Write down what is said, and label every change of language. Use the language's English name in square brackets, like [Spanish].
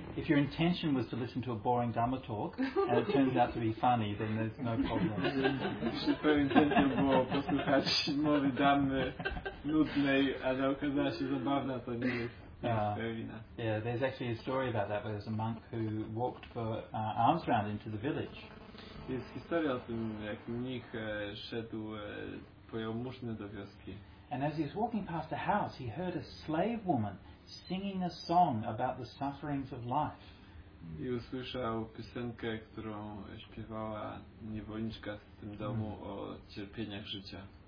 [English] If your intention was to listen to a boring Dhamma talk and it turns out to be funny, then there's no problem. [Polish] Jeśli twoją intencją było posłuchać mowy Dhammy nudnej, ale okazała się zabawna, to nie jest [English] fair. Yeah, there's actually a story about that where there's a monk who walked for alms round into the village. [Polish] Jest historia o tym, jak mnich szedł po jałmużnę do wioski. [English] And as he was walking past the house, he heard a slave woman singing a song about the sufferings of life. [Polish] I usłyszał piosenkę, którą śpiewała niewolniczka w tym domu o cierpieniach życia.